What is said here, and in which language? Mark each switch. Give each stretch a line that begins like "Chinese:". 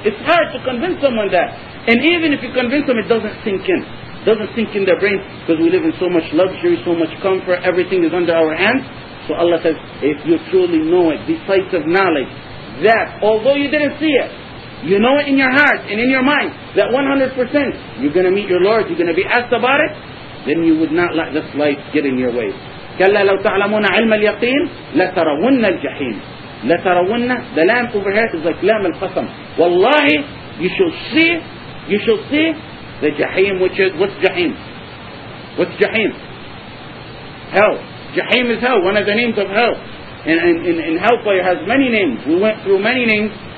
English: It's hard to convince someone that. And even if you convince them, it doesn't sink in. It doesn't sink in their brain, because we live in so much luxury, so much comfort, everything is under our hands. So Allah says, if you truly know it, decisive knowledge, that although you didn't see it, you know it in your heart and in your mind that 100% you're going to meet your Lord, you're going to be asked about it, then you would not let this life get in your way.
Arabic: كلا لو تعلمون علم اليقين لترون الجحيم. لترون
English: the lamp over here is like
Arabic: لام القسم.
English: والله you shall see, you shall see the جحيم, which is what's جحيم, what's جحيم, hell. جحيم is hell, one of the names of hell. And hellfire has many names. We went through many names.